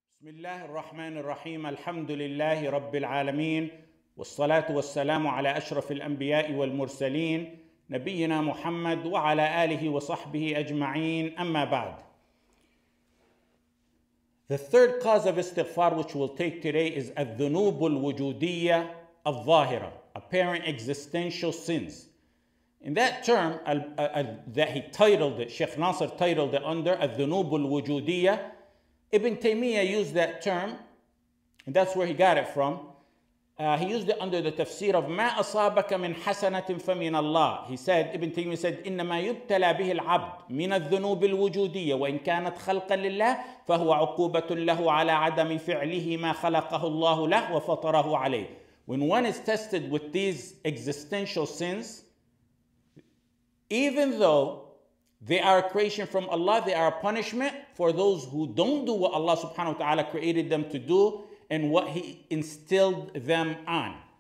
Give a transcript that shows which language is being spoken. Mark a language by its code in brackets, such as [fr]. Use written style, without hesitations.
[ar] بسم الله الرحمن الرحيم الحمد لله رب العالمين والصلاة والسلام على أشرف الأنبياء والمرسلين نبينا محمد وعلى آله وصحبه أجمعين أما بعد. [en] The third cause of istighfar which we'll take today is [ar] الذنوب الوجودية الظاهرة, [en] apparent existential sins. In that term that he titled it, Sheikh Nasser titled it under [ar] الذنوب الوجودية. [en] Ibn Taymiyyah used that term, and that's where he got it from. He used it under the tafsir of [ar] مَا أَصَابَكَ مِنْ حَسَنَةٍ فَمِنَ اللَّهِ. [en] He said, Ibn Taymiyyah said, [ar] إِنَّمَا يُبْتَلَى بِهِ الْعَبْدُ مِنَ الذُّنُوبِ الْوُجُودِيَّةِ وَإِنْ كَانَتْ خَلْقًا لِلَّهِ فَهُوَ عُقُوبَةٌ لَهُ عَلَىٰ عَدَمِ فِعْلِهِ مَا خَلَقَهُ اللَّهُ لَهُ وَفَطَرَهُ عَلَيْهِ. [en] When one is tested with these existential sins, even though they are a creation from Allah, they are a punishment for those who don't do what Allah subhanahu wa ta'ala created them to do and what He instilled them on.